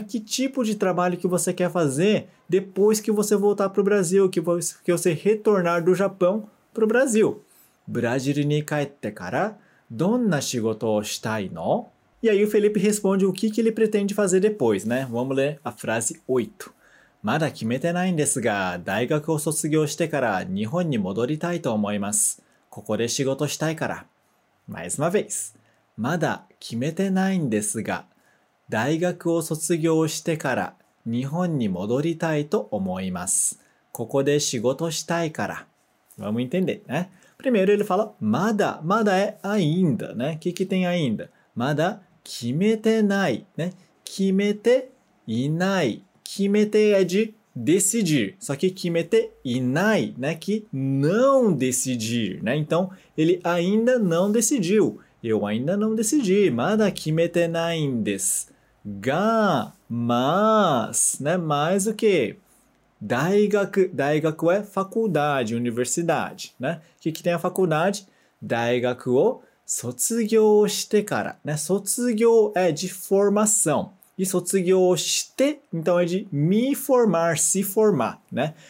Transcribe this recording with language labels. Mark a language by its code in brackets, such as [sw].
[pt] Que tipo de trabalho que você quer fazer depois que você voltar para o Brasil, que você retornar do Japão para o Brasil? [ja] Brasil ni kaette kara, donna shigoto o shitai no? [pt] E aí o Felipe responde o que, que ele pretende fazer depois, né? Vamos ler a frase 8. [ja] まだ決めてないんですが、大学を卒業してから日本に戻りたいと思います。ここで仕事したいから。 [pt] Mais uma vez. [ja] まだ決めてないんですが、大学を卒業してから日本に戻りたいと思います。ここで仕事したいから。 [pt] Vamos entender, né? Primeiro ele fala, まだé ainda, né? O que, que tem ainda? [ja] まだ決めてない、ね、決めていない。 [pt] 決めて é de decidir. Só que [ja] 決めていない、ね、 [pt] que não decidir. Né? Então, ele ainda não decidiu. Eu ainda não decidi. [ja] まだ決めてないんです。 [pt] が、mas, né? Mais o quê? 大学é faculdade, universidade. O、né? Que tem a faculdade? [ja] 大学を Sotsugyo shite kara, [pt] né? Sotsugyo é de formação. E [ja] sotsugyo shite, [pt] então é de me formar, se formar, né?